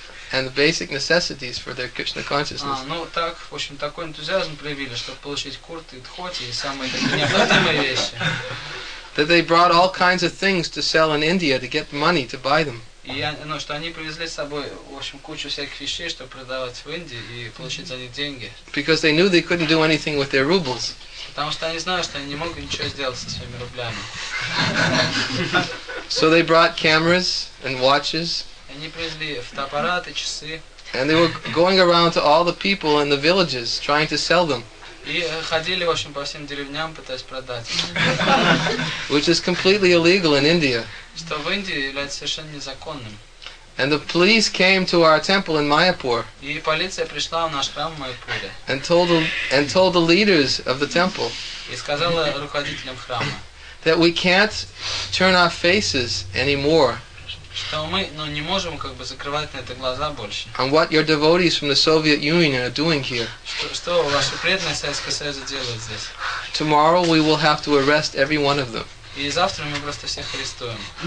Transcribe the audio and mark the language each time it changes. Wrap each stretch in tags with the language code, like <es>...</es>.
<en>And the basic necessities for their Krishna consciousness.</en> <ru>Ну так, в общем, такой энтузиазм проявили, чтобы получить курты, дхоти и самые необходимые вещи.</ru> <en>That they brought all kinds of things to sell in India to get money to buy them.</en> <ru>И, ну, что они привезли с собой, в общем, кучу всяких вещей, чтобы продавать в Индии и получить за них деньги.</ru> <en>Because they knew they couldn't do anything with their rubles.</en> <ru>Потому что они знают, что они не могут ничего сделать со своими рублями.</ru> <en>So they brought cameras and watches.</en> <ru>Они привезли фотоаппараты, часы.</ru> <en>And they were going around to all the people in the villages, trying to sell them.</en> <ru>И ходили, в общем, по всем деревням, пытаясь продать.</ru> <en>Which is completely illegal in India.</en> <ru>Что в Индии является совершенно незаконным.</ru> <en>And the police came to our temple in Mayapur.</en> <ru>И полиция пришла в наш храм в Майяпуре.</ru> <en>And told the leaders of the temple.</en> <ru>И сказала руководителям храма.</ru> <en>That we can't turn our faces anymore.</en> <ru>Что мы, ну, не можем как бы закрывать на это глаза больше.</ru> <en>And what your devotees from the Soviet Union are doing here?</en> <ru>Что ваши преданные Советского Союза делают здесь?</ru> <en>Tomorrow we will have to arrest every one of them.</en> <ru>И завтра мы просто всех арестуем.</ru>